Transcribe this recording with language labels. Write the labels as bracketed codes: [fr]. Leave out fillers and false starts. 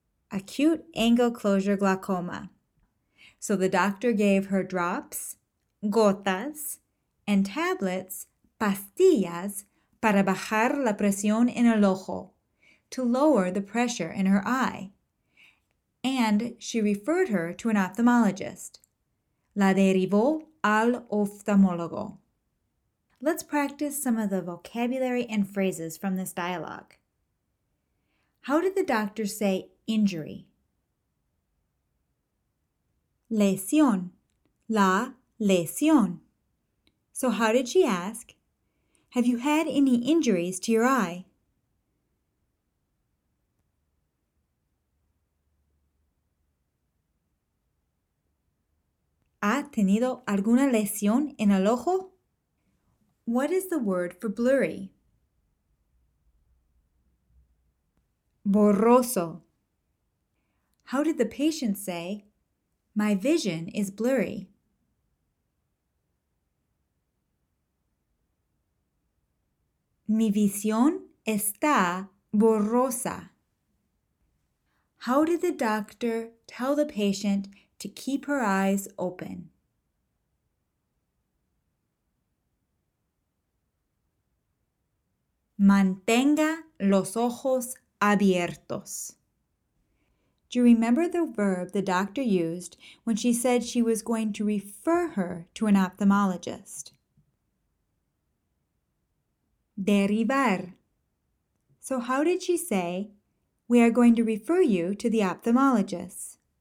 [en] Acute angle closure glaucoma. So the doctor gave her drops, gotas, and tablets [es] pastillas para bajar la presión en el ojo, [en] to lower the pressure in her eye. And she referred her to an ophthalmologist. [es] La derivó al oftalmólogo. [en] Let's practice some of the vocabulary and phrases from this dialogue. How did the doctor say injury? [es] Lesión. La lesión. [en] So how did she ask? Have you had any injuries to your eye? [es] ¿Ha tenido alguna lesión en el ojo? [en] What is the word for blurry? Borroso. How did the patient say, my vision is blurry? [es] Mi visión está borrosa. [en] How did the doctor tell the patient to keep her eyes open? [es] Mantenga los ojos abiertos. [en] Do you remember the verb the doctor used when she said she was going to refer her to an ophthalmologist? Derivar. So how did she say, we are going to refer you to the ophthalmologist?